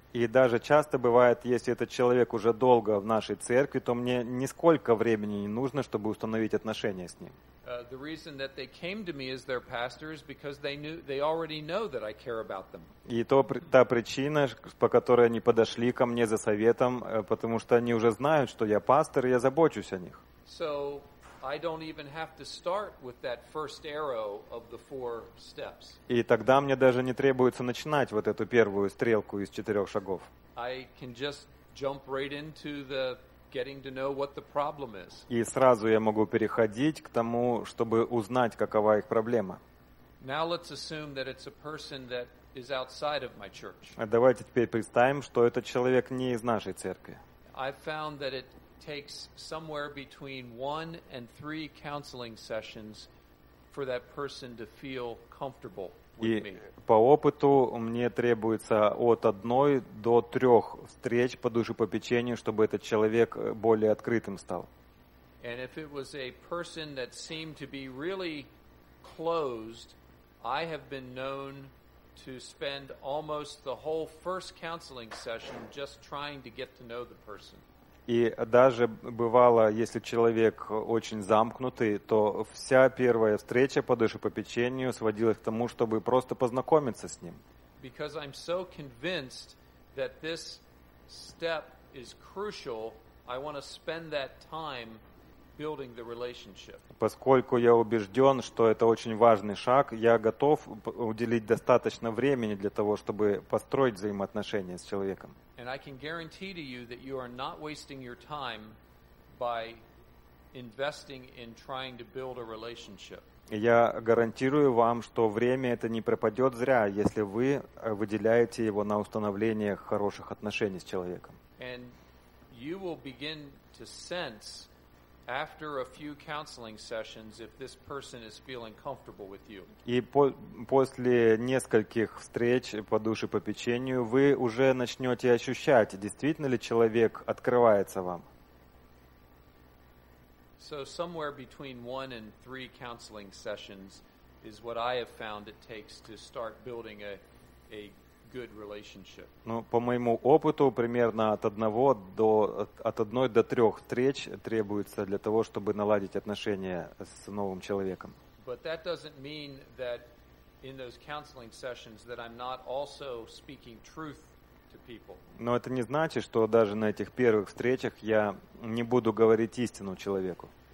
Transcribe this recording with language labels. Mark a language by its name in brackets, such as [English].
[Russian] И даже часто бывает, если этот человек уже долго в нашей церкви, то мне нисколько времени не нужно, чтобы установить отношения с ним. [English] The reason that they came to me as their pastor is because they already know that I care about them. [Russian] И та причина, по которой они подошли ко мне за советом, потому что они уже знают, что я пастор, и я забочусь о них. [English] So I don't even have to start with that first arrow of the four steps. [Russian] И тогда мне даже не требуется начинать вот эту первую стрелку из четырех шагов. [English] I can just jump right into the getting to know what the problem is. [Russian] И сразу я могу переходить к тому, чтобы узнать, какова их проблема. [English] Now let's assume that it's a person that is outside of my church. [Russian] Давайте теперь представим, что этот человек не из нашей церкви. [English] I found that it takes somewhere between 1 and 3 counseling sessions for that person to feel comfortable with me. [Russian] И по опыту мне требуется от 1 до 3 встреч по душепопечению, чтобы этот человек более открытым стал. [English] And if it was a person that seemed to be really closed, I have been known to spend almost the whole first counseling session just trying to get to know the person. [Russian] И даже бывало, если человек очень замкнутый, то вся первая встреча по душепопечению сводилась к тому, чтобы просто познакомиться с ним. [English] Because I'm so convinced that this step is crucial, I want to spend that time building the relationship. [Russian] Поскольку я убежден, что это очень важный шаг, я готов уделить достаточно времени для того, чтобы построить взаимоотношения с человеком. [English] And I can guarantee to you that you are not wasting your time by investing in trying to build a relationship. [Russian] Я гарантирую вам, что время это не пропадет зря, если вы выделяете его на установление хороших отношений с человеком. [English] And you will begin to sense after a few counseling sessions if this person is feeling comfortable with you. [Russian] И после нескольких встреч по душе попечению вы уже начнете ощущать, действительно ли человек открывается вам. [English] So somewhere between one and three counseling sessions is what I have found it takes to start building a good relationship. [Russian] Ну, по моему опыту, примерно от одной до трех встреч требуется для того, чтобы наладить отношения с новым человеком. [English] But that doesn't mean that in those counseling sessions that I'm not also speaking truth. [Russian] Но это не значит, что даже на этих первых встречах я не буду говорить истину человеку.